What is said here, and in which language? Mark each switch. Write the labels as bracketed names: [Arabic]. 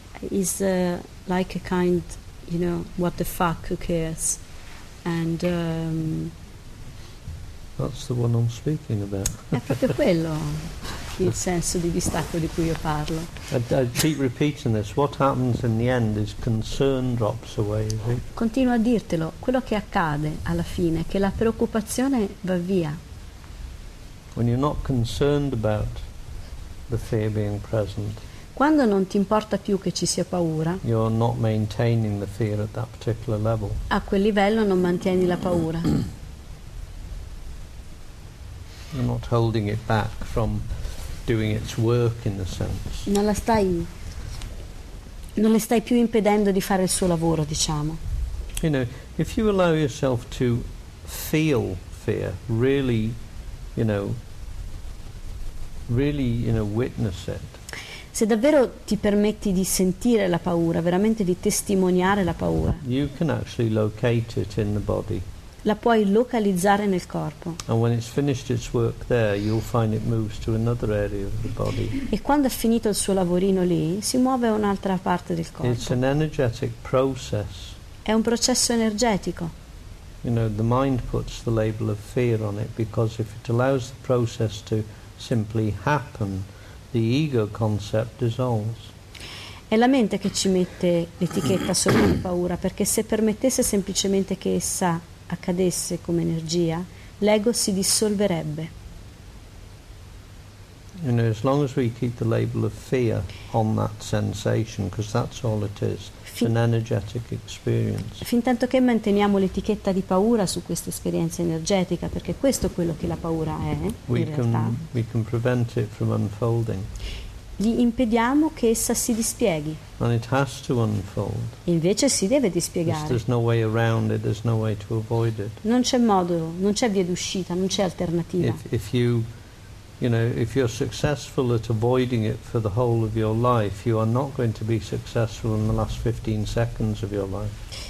[English] Is like a kind, you know, what the fuck, who cares? And that's the one I'm speaking about. [Italian] È proprio quello il senso di distacco di cui io parlo. [English] I keep repeating this. What happens in the end is concern drops away. Is it? [Italian] Continuo a dirtelo. Quello che accade alla fine è che la preoccupazione va via. [English] When you're not concerned about the fear being present, [Italian] quando non ti importa più che ci sia paura, [English] you're not maintaining the fear at that particular level. [Italian] A quel livello non mantieni la paura. [English] You're not holding it back from doing its work in the sense. [Italian] Non le stai più impedendo di fare il suo lavoro, diciamo. [English] You know, if you allow yourself to feel fear, really, you know, really, you know, witness it. [Italian] Se davvero ti permetti di sentire la paura, veramente di testimoniare la paura, [English] you can actually locate it in the body. [Italian] la puoi localizzare nel corpo. [English] And when it's finished its work there, you'll find it moves to another area of the body. [Italian] E quando ha finito il suo lavorino lì, si muove a un'altra parte del corpo. [English] It's an energetic process. [Italian] È un processo energetico. [English] You know, the mind puts the label of fear on it, because if it allows the process to simply happen, the ego concept dissolves. [Italian] È la mente che ci mette l'etichetta sopra la paura, perché se permettesse semplicemente che essa accadesse come energia, l'ego si dissolverebbe. [English] You know, as long as we keep the label of fear on that sensation, because that's all it is, it's an energetic experience. [Italian] Fin tanto che manteniamo l'etichetta di paura su questa esperienza energetica, perché questo è quello che la paura è, [English] we can prevent it from unfolding. [Italian] Gli impediamo che essa si dispieghi. [English] And it has to unfold. [Italian] Invece si deve dispiegare. [English] There's no way around it, there's no way to avoid it. [Italian] Non c'è modo, non c'è via d'uscita, non c'è alternativa. [English] If you're successful at avoiding it for the whole of your life, you are not going to be successful in the last 15 seconds of your life.